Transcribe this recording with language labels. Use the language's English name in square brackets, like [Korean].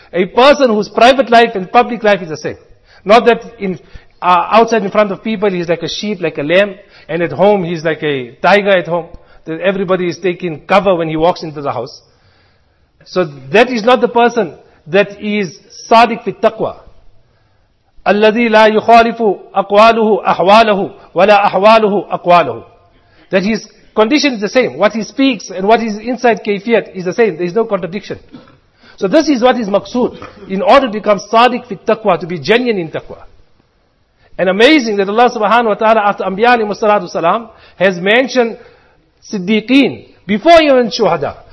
[English] A person whose private life and public life is the same. Not that outside in front of people he's like a sheep, like a lamb, and at home he's like a tiger at home, that everybody is taking cover when he walks into the house. So that is not the person that is [Arabic] صادق في التقوى. الَّذِي لَا يُخَالِفُ أَقْوَالُهُ أَحْوَالَهُ وَلَا أَحْوَالُهُ أَقْوَالَهُ. [English] That he's condition is the same. What he speaks and what is inside kayfiyat is the same. There is no contradiction. So this is what is maqsood. In order to become [Arabic] sadiq fit taqwa, [English] to be genuine in taqwa. And amazing that Allah subhanahu wa ta'ala, after Anbiya alayhi salatu salam, has mentioned siddiqeen before even shuhada.